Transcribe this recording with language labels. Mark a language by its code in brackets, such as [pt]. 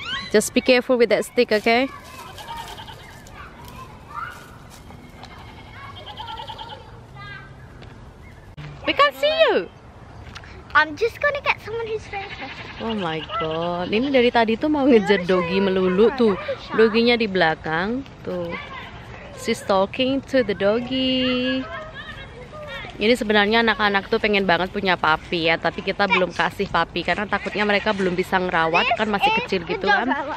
[en] Just be careful with that stick, okay? We can't see you. I'm just gonna get someone who's ready. Oh my god, [id] ini dari tadi tuh mau ngejar doggy melulu tuh. Doginya di belakang tuh. [en] She's talking to the doggy. [id] Ini sebenarnya anak-anak tuh pengen banget punya puppy ya, tapi kita belum kasih puppy karena takutnya mereka belum bisa ngerawat, kan masih kecil gitu kan.